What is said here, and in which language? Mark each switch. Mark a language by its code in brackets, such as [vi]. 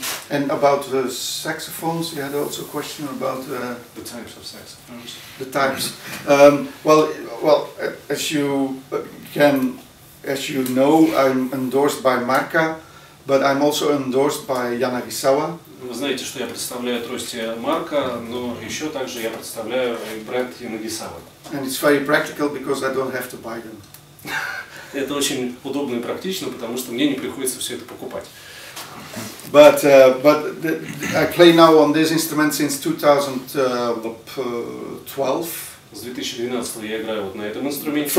[en] And about the saxophones, you had also a question about the types of saxophones. The types. Well, as you know, I'm endorsed by MARCA, but I'm also endorsed by Yanagisawa. [ru] Вы знаете, что я представляю трости MARCA, но еще также я представляю бренд Yanagisawa. [en] And it's very practical because I don't have to buy them. [ru] Это очень удобно и практично, потому что мне не приходится все это покупать. [en] But I play now on this instrument since 2012. [ru] С 2012 я играю вот на этом инструменте.